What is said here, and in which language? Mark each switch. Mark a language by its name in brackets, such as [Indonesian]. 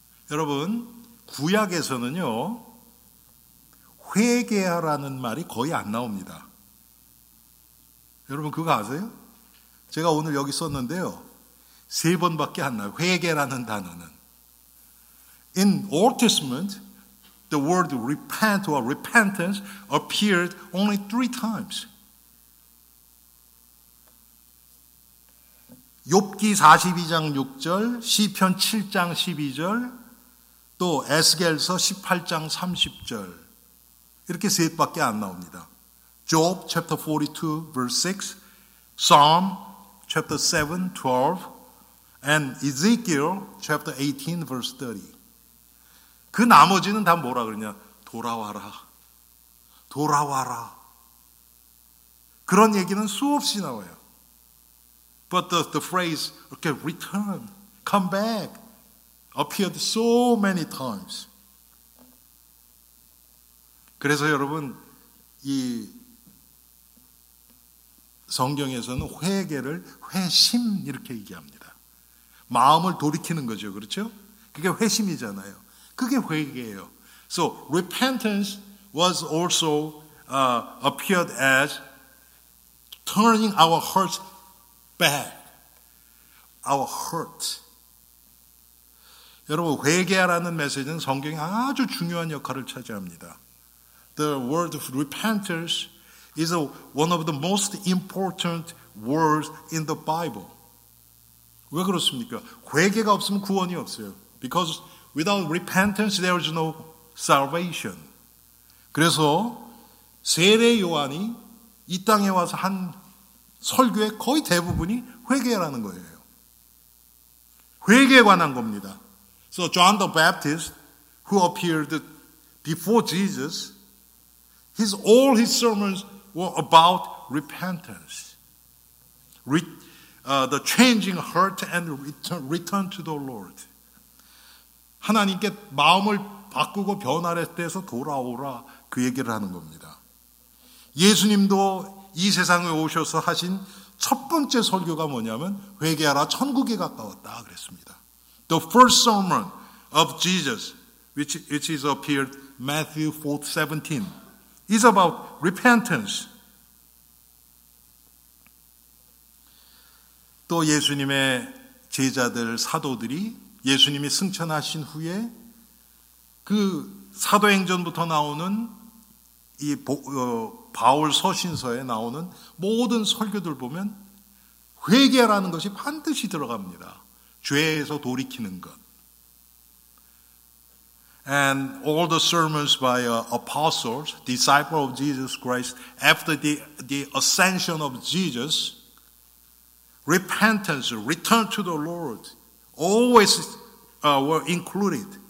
[Korean] 여러분. 구약에서는요, 회개하라는 말이 거의 안 나옵니다. 여러분 그거 아세요? 제가 오늘 여기 썼는데요, 세 번밖에 안 나와요. 회개라는 단어는. [English] In Old Testament, the word repent or repentance appeared only three times. [Korean] 욥기 42장 6절, 시편 7장 12절, 또 에스겔서 18장 30절 이렇게 셋밖에 안 나옵니다. [English] Job chapter 42 verse 6, Psalm chapter 7 12 and Ezekiel chapter 18 verse 30. [Korean] 그 나머지는 다 뭐라 그러냐? 돌아와라. 돌아와라. 그런 얘기는 수없이 나와요. [English] But the phrase, okay, return, come back, appeared so many times. [Korean] 그래서 여러분, 이 성경에서는 회개를 회심 이렇게 얘기합니다. 마음을 돌이키는 거죠. 그렇죠? 그게 회심이잖아요. 그게 회개예요. [English] So repentance was also appeared as turning our hearts back. Our heart. [Korean] 여러분, 회개하라는 메시지는 성경에 아주 중요한 역할을 차지합니다. [English] The word of repentance is one of the most important words in the Bible. [Korean] 왜 그렇습니까? 회개가 없으면 구원이 없어요. [English] Because without repentance, there is no salvation. [Korean] 그래서 세례 요한이 이 땅에 와서 한 설교의 거의 대부분이 회개라는 거예요. 회개에 관한 겁니다. [English] So John the Baptist, who appeared before Jesus, all his sermons were about repentance. The changing heart and return to the Lord. [Korean] 하나님께 마음을 바꾸고 변화를 해서 돌아오라 그 얘기를 하는 겁니다. 예수님도 이 세상에 오셔서 하신 첫 번째 설교가 뭐냐면 회개하라 천국에 가까웠다 그랬습니다. [English] The first sermon of Jesus, which is appeared Matthew 4:17, is about repentance. [Korean] 또 예수님의 제자들 사도들이 예수님이 승천하신 후에 그 사도행전부터 나오는 이 바울 서신서에 나오는 모든 설교들 보면 회개라는 것이 반드시 들어갑니다. 죄에서 돌이키는 것. [English] And all the sermons by apostles, disciples of Jesus Christ, after the ascension of Jesus, repentance, return to the Lord, always were included.